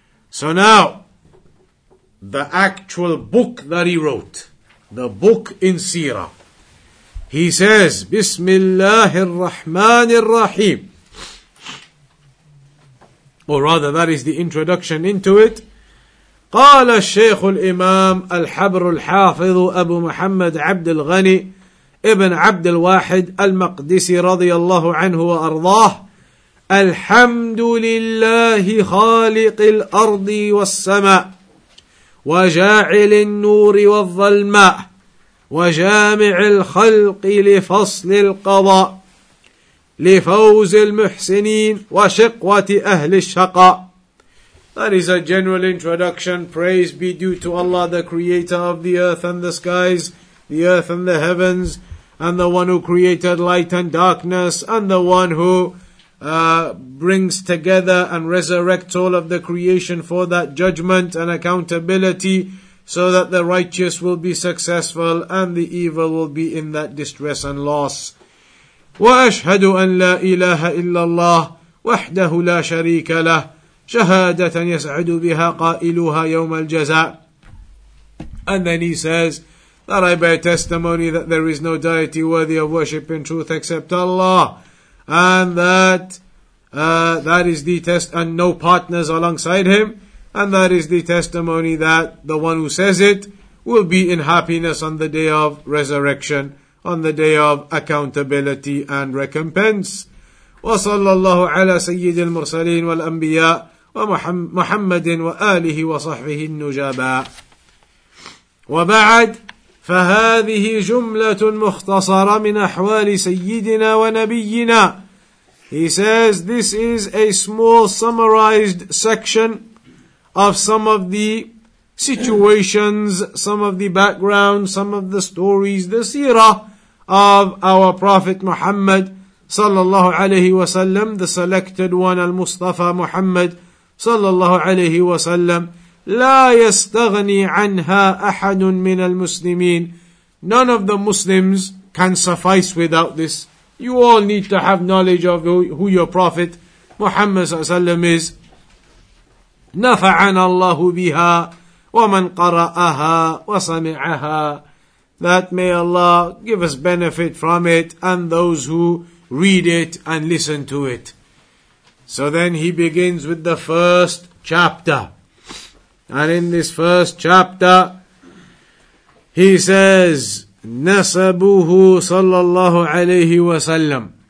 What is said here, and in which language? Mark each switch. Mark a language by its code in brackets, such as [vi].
[en] So now, the actual book that he wrote, the book in Seerah. He says, Bismillahir Rahmanir Rahim. Or rather, that is the introduction into it. [ar] قال الشيخ الإمام الحبر الحافظ أبو محمد عبد الغني ابن عبد الواحد المقدسي رضي الله عنه وأرضاه الحمد لله خالق الأرض والسماء وجاعل النور والظلماء وجامع الخلق لفصل القضاء لفوز المحسنين وشقوة أهل الشقاء. [en] That is a general introduction. Praise be due to Allah, the creator of the earth and the skies, the earth and the heavens, and the one who created light and darkness, and the one who brings together and resurrects all of the creation for that judgment and accountability, so that the righteous will be successful and the evil will be in that distress and loss. [ar] وَأَشْهَدُ أَنْ لَا إِلَهَ إِلَّا اللَّهِ وَحْدَهُ لَا شَرِيكَ لَهِ شهادة يسعد بها قائلها يوم الجزاء. [en] And then he says that I bear testimony that there is no deity worthy of worship in truth except Allah, and that that is the test, and no partners alongside him, and that is the testimony that the one who says it will be in happiness on the day of resurrection, on the day of accountability and recompense. [ar] وصلى الله على سيد المرسلين والأنبياء ومحمد وآله وصحبه النجباء. وبعد فهذه جملة مختصرة من أحوال سيدنا ونبينا. [en] He says this is a small summarized section of some of the situations, some of the background, some of the stories, the seerah of our Prophet Muhammad sallallahu alayhi wa sallam, the selected one, al-Mustafa Muhammad صلى الله عليه وسلم. [ar] لا يستغني عنها أحد من المسلمين. [en] None of the Muslims can suffice without this. You all need to have knowledge of who your Prophet Muhammad صلى الله عليه وسلم is. [ar] نفعنا الله بها ومن قرأها وسمعها. [en] That may Allah give us benefit from it and those who read it and listen to it. So then he begins with the first chapter. And in this first chapter, he says, [ar] نَسَبُهُ صَلَّى اللَّهُ عَلَيْهِ وَسَلَّمُ.